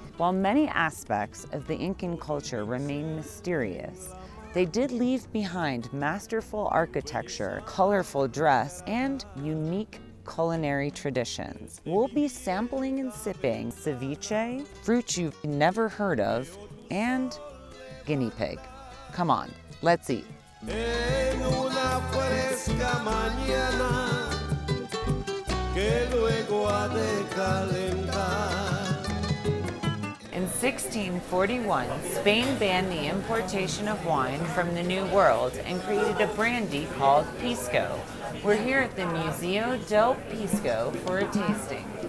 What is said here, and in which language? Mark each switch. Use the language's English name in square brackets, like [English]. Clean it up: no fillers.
[English] While many aspects of the Incan culture remain mysterious, they did leave behind masterful architecture, colorful dress, and unique culinary traditions. We'll be sampling and sipping ceviche, fruit you've never heard of, and guinea pig. Come on, let's eat. [Spanish] En una fresca mañana, que luego ha de calentar. [English] In 1641, Spain banned the importation of wine from the New World and created a brandy called Pisco. We're here at the Museo del Pisco for a tasting.